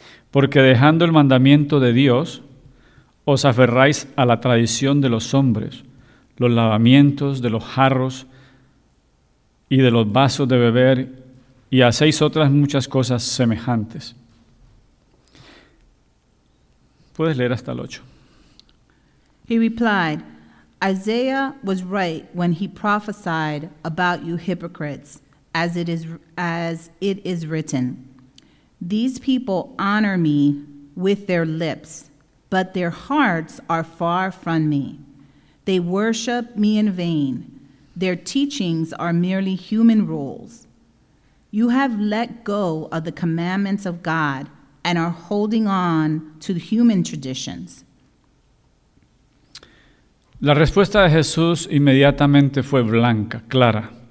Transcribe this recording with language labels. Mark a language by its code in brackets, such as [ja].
[es] Porque dejando el mandamiento de Dios, os aferráis a la tradición de los hombres, los lavamientos de los jarros y de los vasos de beber, y hacéis otras muchas cosas semejantes. Puedes leer hasta el 8. [en] He replied, Isaiah was right when he prophesied about you hypocrites, as it is written. These people honor me with their lips, but their hearts are far from me. They worship me in vain. Their teachings are merely human rules. You have let go of the commandments of God and are holding on to human traditions. [es] La respuesta de Jesús inmediatamente fue blanca, clara.